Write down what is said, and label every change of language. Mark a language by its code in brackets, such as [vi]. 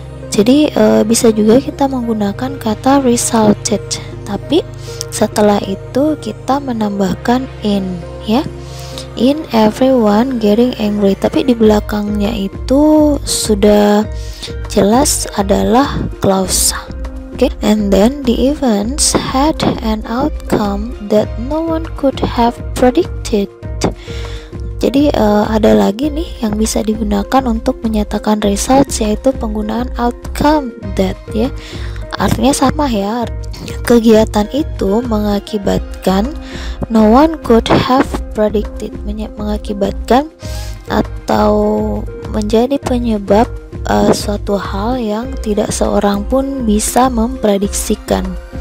[id] Jadi bisa juga kita menggunakan kata resulted, tapi setelah itu kita menambahkan in ya, [en] in everyone getting angry, [id] tapi di belakangnya itu sudah jelas adalah clause. [en] Okay. And then the events had an outcome that no one could have predicted. [id] Jadi ada lagi nih yang bisa digunakan untuk menyatakan results, yaitu penggunaan outcome that ya. Artinya sama ya, kegiatan itu mengakibatkan [en] no one could have predicted, [id] mengakibatkan atau menjadi penyebab suatu hal yang tidak seorang pun bisa memprediksikan.